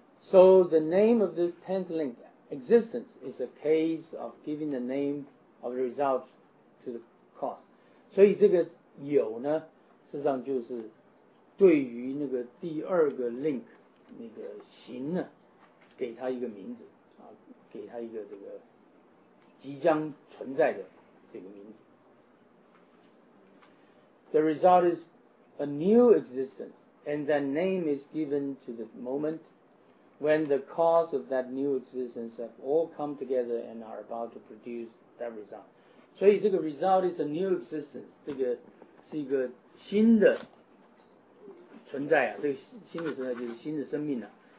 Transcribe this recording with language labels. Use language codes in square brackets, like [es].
[en] So the name of this tenth link, existence, is a case of giving the name of the result to the cause. [zh] 所以这个有呢，事实上就是对于那个第二个 link 那个行呢，给它一个名字啊，给它一个这个即将存在的这个名字。 [en] The result is a new existence, and that name is given to the moment when the cause of that new existence have all come together and are about to produce that result. [zh] 所以这个 [en] result is a new existence, [zh] 这个是一个新的存在啊，这个新的存在就是新的生命了、啊。